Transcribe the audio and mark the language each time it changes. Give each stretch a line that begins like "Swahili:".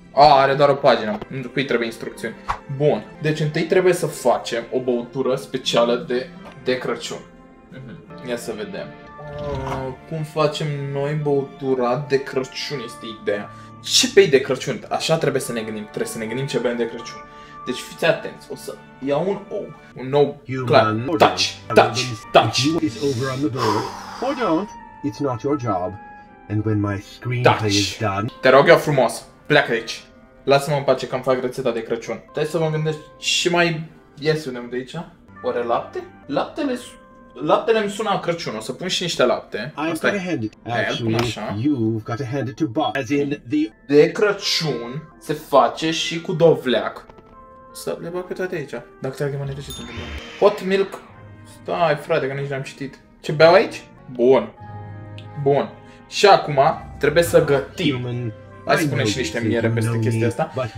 Romanian: A, are doar o pagină, pentru că îi trebuie instrucțiuni. Bun, deci întâi trebuie să facem o băutură specială de Crăciun. Ia să vedem. Cum facem noi băutura de Crăciun, este ideea. Ce bei de Crăciun? Așa trebuie să ne gândim, trebuie să ne gândim ce bem de Crăciun. Deci fiți atenți, o să iau un ou. Un nou, clar, touch, touch, touch.
English: It's over on the board, or don't, it's not your job. And when my screenplay is done...
Romanian: Te rog eu frumos, pleacă aici. Lasă-mă în pace că-mi fac rețeta de Crăciun. Trebuie să mă gândesc ce mai ies unem de aici. Oare lapte? Laptele îmi sună a Crăciun, o să pun și niște lapte. Asta-i.
English: Actually, you've got to hand it to Bob. As in the...
Romanian: De Crăciun se face și cu dovleac. Să le bag pe toate aici. Dacă te-ai gândit, ce sunt bine.
English: Hot milk.
Romanian: Stai, frate, că nici n-am citit. Ce beau aici? Bun. Bun. Și acum trebuie să gătim. Hai să punem și niște miere peste chestia asta.